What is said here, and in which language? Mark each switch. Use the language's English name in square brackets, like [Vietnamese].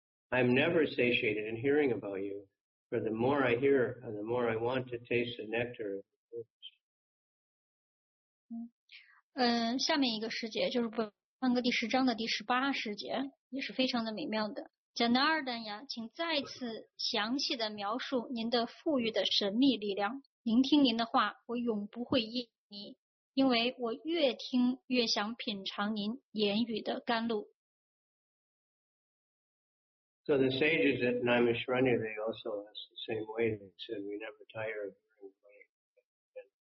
[English] I'm never satiated in hearing about you, for the more I hear, the more I want to taste the nectar of the lotus. [Chinese] 下面一个时节就是本梵歌第十章的第十八时节，也是非常的美妙的。 Janardana，请再次详细的描述您的富裕的神秘力量。聆听您的话，我永不会厌离，因为我越听越想品尝您言语的甘露。 [English] So the sages at Naimisharanya, they also asked the same way. They said, we never tire of hearing from you.